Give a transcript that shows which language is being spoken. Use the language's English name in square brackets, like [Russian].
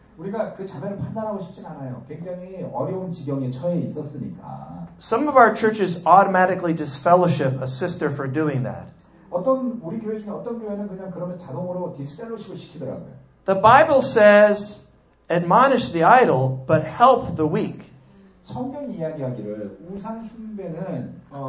[Korean] 우리가 그 자매를 판단하고 싶진 않아요. 굉장히 어려운 지경에 처해 있었으니까. [English] Some of our churches automatically disfellowship a sister for doing that. [Korean] 어떤 우리 교회 중에 어떤 교회는 그냥 그러면 자동으로 디스펠로시를 시키더라고요. [English] The Bible says Admonish the idle, but help the weak. [Korean] 성경 이야기하기를 우상 숭배는